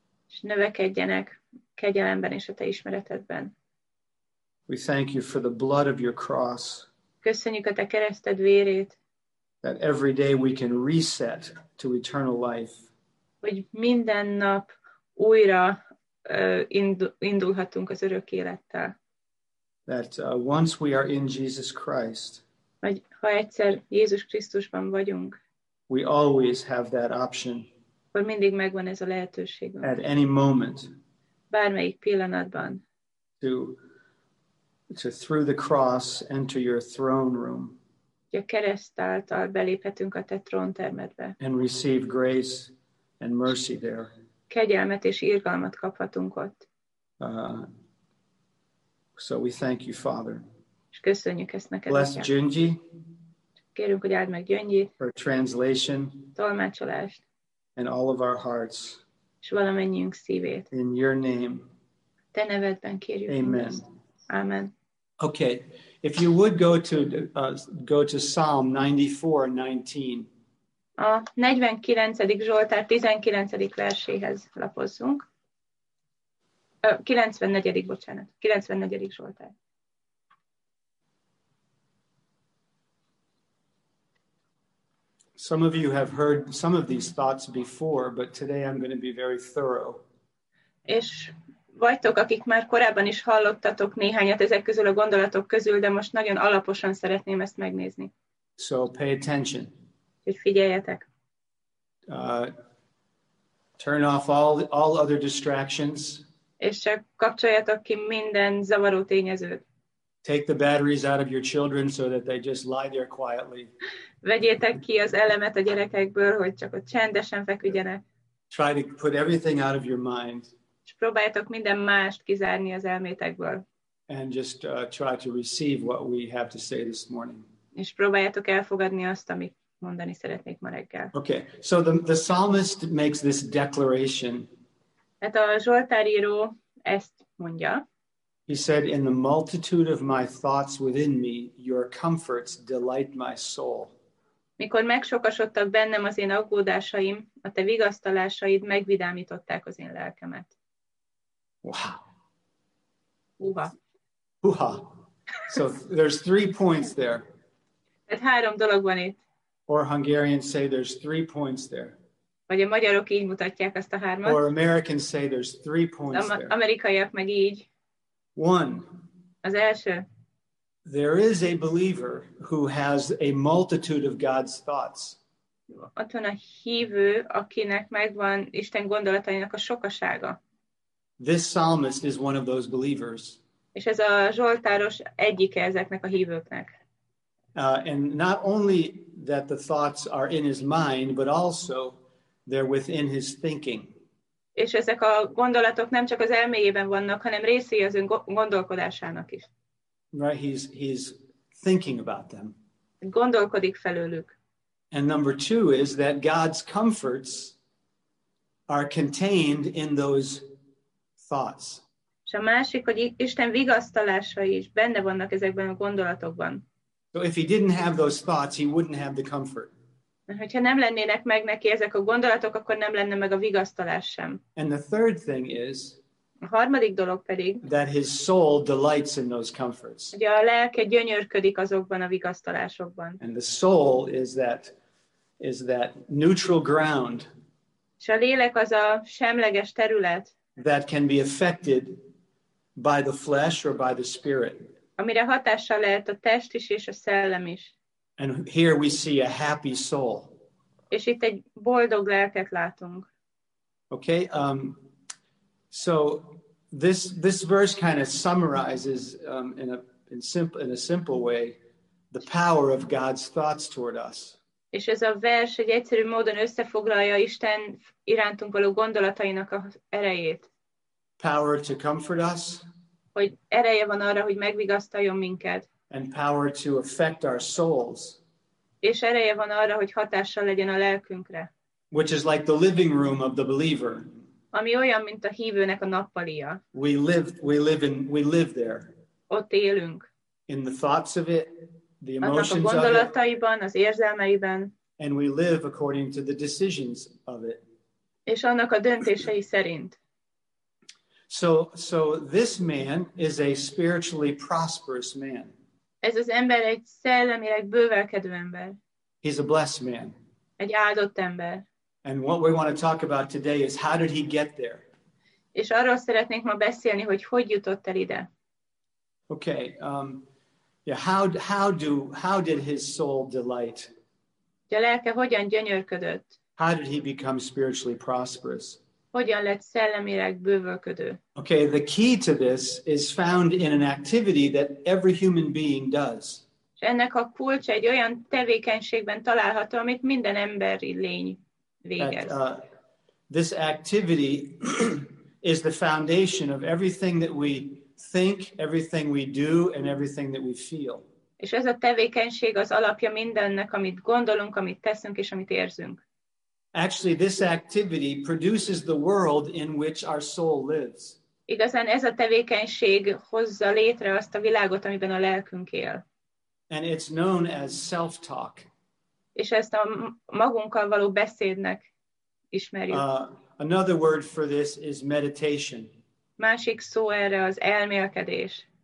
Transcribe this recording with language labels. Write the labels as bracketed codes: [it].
[hu] És növekedjenek kegyelemben és a te ismeretedben. [en] We thank you for the blood of your cross. [hu] Köszönjük a te kereszted vérét. [en] That every day we can reset to eternal life. [hu] Hogy minden nap újra indulhatunk az örök élettel. [en] That once we are in Jesus Christ. [hu] Vagy ha egyszer Jézus Krisztusban vagyunk. [en] We always have that option. [hu] Hogy mindig megvan ez a lehetőség. [en] At any moment. [hu] Bármelyik pillanatban. [en] To through the cross enter your throne room. [hu] A kereszt által beléphetünk a te tróntermedbe. [en] And receive grace and mercy there. [hu] Kegyelmet és irgalmat kaphatunk ott. [en] So we thank you, Father. [hu] És köszönjük ezt neked. [en] Bless Gyöngyi. [hu] Kérünk, hogy áld meg Gyöngyit. [en] Her translation. [hu] Tolmácsolást. [en] And all of our hearts. [hu] És valamennyiünk szívét. [en] In your name. [hu] Te nevedben kérjük. [en] Amen. [hu] Amen. [en] Okay, if you would go to Psalm 94:19. [hu] A 49. Zsoltár 19. verséhez lapozzunk. 94. bocsánat. 94. Zsoltár. [en] Some of you have heard some of these thoughts before, but today I'm going to be very thorough. [hu] És vagytok, akik már korábban is hallottatok néhányat ezek közül a gondolatok közül, de most nagyon alaposan szeretném ezt megnézni. [en] So pay attention. [hu] Hogy figyeljetek. [en] Turn off all other distractions. [hu] És csak kapcsoljatok ki minden zavaró tényezőt. [en] Take the batteries out of your children so that they just lie there quietly. [hu] Vegyétek ki az elemet a gyerekekből, hogy csak ott csendesen feküdjenek. [en] Try to put everything out of your mind. [hu] És próbáljátok minden mást kizárni az elmétekből. [en] And just try to receive what we have to say this morning. [hu] És próbáljátok elfogadni azt, amit mondani szeretnék ma reggel. [en] Okay, so the psalmist makes this declaration. [hu] Hát a zsoltáríró ezt mondja. [en] He said, in the multitude of my thoughts within me, your comforts delight my soul. [hu] Mikor megsokasodtak bennem az én aggódásaim, a te vigasztalásaid megvidámították az én lelkemet. [en] Wow. [hu] Uha. Uha. [en] So there's three points there. [hu] Tehát három dolog van itt. [en] Or Hungarians say there's three points there. [hu] Vagy a magyarok így mutatják ezt a hármat. [en] Or Americans say there's three points there. [hu] Amerikaiak meg így. [en] One. [hu] Az első. [en] There is a believer who has a multitude of God's thoughts. [hu] Ott van a hívő, akinek megvan Isten gondolatainak a sokasága. [en] This psalmist is one of those believers. [hu] És ez a zsoltáros egyike ezeknek a hívőknek. [en] And not only that the thoughts are in his mind, but also they're within his thinking. [hu] És ezek a gondolatok nem csak az elméjében vannak, hanem részei az ön gondolkodásának is. [en] Right, he's thinking about them. [hu] Gondolkodik felőlük. [en] And number two is that God's comforts are contained in those thoughts. [hu] És a másik, hogy Isten vigasztalásai is benne vannak ezekben a gondolatokban. [en] So if he didn't have those thoughts, he wouldn't have the comfort. [hu] Hogyha nem lennének meg neki ezek a gondolatok, akkor nem lenne meg a vigasztalás sem. [en] And the third thing is, [hu] a harmadik dolog pedig, [en] that his soul delights in those comforts. [hu] Hogy a lelke gyönyörködik azokban a vigasztalásokban. [en] And the soul is that neutral ground. [hu] És a lélek az a semleges terület, [en] that can be affected by the flesh or by the spirit. [hu] Amire hatással lehet a test is és a szellem is. [en] And here we see a happy soul. [hu] És itt egy boldog lelket látunk. [en] Okay, so this verse kind of summarizes in a simple way the power of God's thoughts toward us. [hu] És ez a vers egy egyszerű módon összefoglalja Isten irántunk való gondolatainak a erejét. [en] Power to comfort us. [hu] Hogy ereje van arra, hogy megvigasztaljon minket. [en] And power to affect our souls. [hu] És ereje van arra, hogy hatással legyen a lelkünkre. [en] Which is like the living room of the believer. [hu] Ami olyan, mint a hívőnek a nappalia. [en] We live there. [hu] Ott élünk. [en] In the thoughts of it, the emotions of it. [hu] Annak a gondolataiban, az érzelmeiben. [en] And we live according to the decisions of it. [hu] És annak a döntései szerint. [en] So this man is a spiritually prosperous man. [hu] Ez az ember egy szellemileg bővelkedő ember. [en] He's a blessed man. [hu] Egy áldott ember. [en] And what we want to talk about today is how did he get there? [hu] És arról szeretnék ma beszélni, hogy jutott el ide. [en] Okay. How did his soul delight? [hu] A lelke hogyan gyönyörködött? [en] How did he become spiritually prosperous? [hu] Hogyan lett szellemileg bővölködő? [en] Okay, the key to this is found in an activity that every human being does. [hu] És ennek a kulcsa egy olyan tevékenységben található, amit minden emberi lény végez. [en] This activity is the foundation of everything that we think, everything we do, and everything that we feel. [hu] És ez a tevékenység az alapja mindennek, amit gondolunk, amit teszünk és amit érzünk. [en] Actually, this activity produces the world in which our soul lives. [hu] Igazán ez a tevékenység hozza létre azt a világot, amiben a lelkünk él. [en] And it's known as self-talk. [hu] És ezt a magunkkal való beszédnek ismerjük. [en] Another word for this is meditation. [hu] Másik szó erre az elmélkedés.